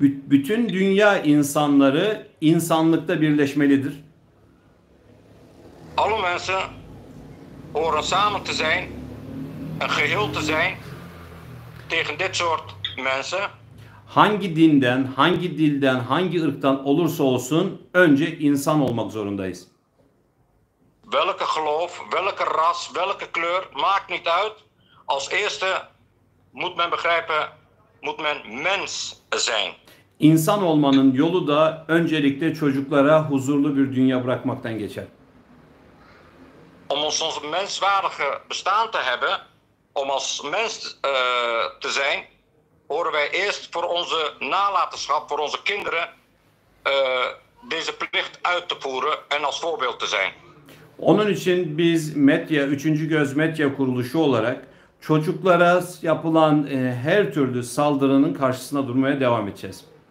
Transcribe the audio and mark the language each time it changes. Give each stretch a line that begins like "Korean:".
Turkish: Bütün dünya insanları insanlıkta birleşmelidir.
Dutch: Alle mensen horen samen te zijn, een geheel te zijn tegen dit soort mensen.
Turkish: Hangi dinden, hangi dilden, hangi ırktan olursa olsun önce insan olmak zorundayız.
Dutch: Welke geloof, welke ras, welke kleur maakt niet uit. Als eerste moet men begrijpen, moet men mens zijn.
Turkish: İnsan olmanın yolu da öncelikle çocuklara huzurlu bir dünya bırakmaktan geçer.
Dutch: Om ons als menswaardige bestaan te hebben, om als mens te zijn, horen wij eerst voor onze nalatenschap, voor onze kinderen, deze plicht uit te voeren en als voorbeeld te zijn.
Turkish: Onun için biz medya, üçüncü göz medya kuruluşu olarak çocuklara yapılan her türlü saldırının karşısında durmaya devam edeceğiz.